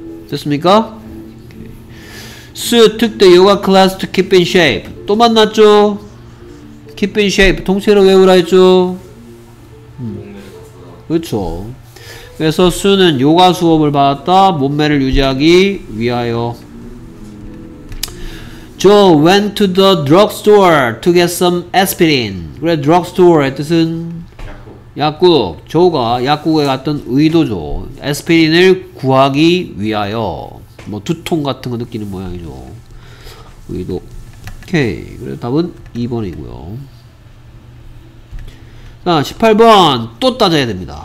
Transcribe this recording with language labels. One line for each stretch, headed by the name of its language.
Korean: 됐습니까?
English: 수 특대 요가 클래스 to keep in shape.
Korean: 또 만났죠? keep in shape 통째로 외우라 했죠? 그렇죠. 그래서 수는 요가 수업을 받았다. 몸매를 유지하기 위하여.
English: Joe went to the drugstore to get some aspirin.
Korean: 그래, drugstore의 뜻은? 약국. 조가 약국에 갔던 의도죠. 에스피린을 구하기 위하여. 뭐 두통 같은 거 느끼는 모양이죠. 의도. 오케이. 그래, 답은 2번이고요. 자, 18번 또 따져야 됩니다.